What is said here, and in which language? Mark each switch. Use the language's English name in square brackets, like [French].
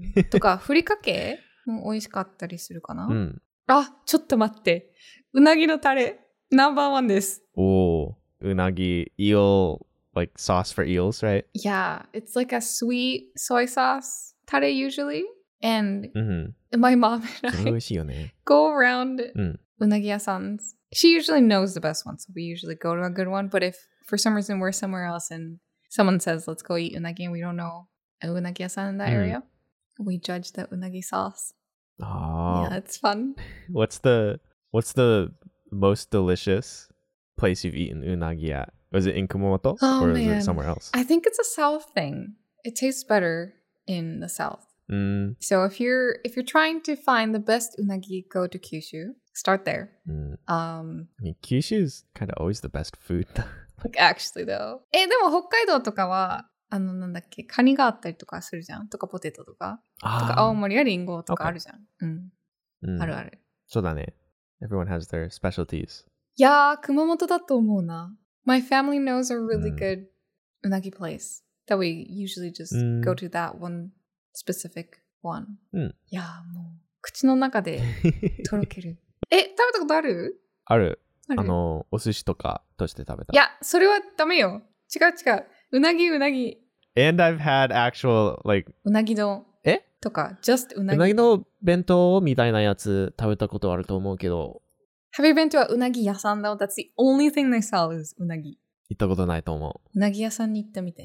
[Japanese] とか、ふりかけも美味しかったりするかな。うん。あ、ちょっと待って。うなぎのタレ、ナンバーワンです。 [English] おー、うなぎ、eel, like sauce for eels, right? Yeah, it's like a sweet soy sauce タレ usually. And、 [Japanese] うん、 [English] my mom and I [Japanese] 美味しいよ、ね、 [English] go around、 [Japanese] うん、 [English] うなぎ屋さん。She usually knows the best one, so we usually go to a good one. But if for some reason we're somewhere else and someone says, let's go eat unagi and we don't know,unagi-san in that area. We judge the unagi sauce. Oh. Yeah, it's fun. What's the most delicious place you've eaten unagi at? Was it in Kumamoto? Oh, or man. Is it somewhere else? I think it's a South thing. It tastes better in the South. Mm. So if you're trying to find the best unagi, go to Kyushu. Start there. Mm. I mean, Kyushu is kind of always the best food. Like, actually, though. [Japanese] でも Hokkaido とかはあのなんだっけカニがあったりとかするじゃんとかポテトとかとか青森やリンゴとかあるじゃん、okay. うん、うん、あるあるそうだね [English] Everyone has their specialties [Japanese] いやー熊本だと思うな [English] My family knows a really good unagi place that we usually just go to that one specific one、 [Japanese] うん、いやーもう口の中でとろける食べたことあるあるあのお寿司とかとして食べたいやそれはダメよ違う違ううなぎ、うなぎ。 [English] And I've had actual, like... [Japanese] うなぎ丼。え? とか、just うなぎ。うなぎの弁当みたいなやつ食べたことあると思うけど。 [English] Have you been to a うなぎ屋さん though? That's the only thing they sell is うなぎ。 [Japanese] 行ったことないと思う。うなぎ屋さんに行ってみて。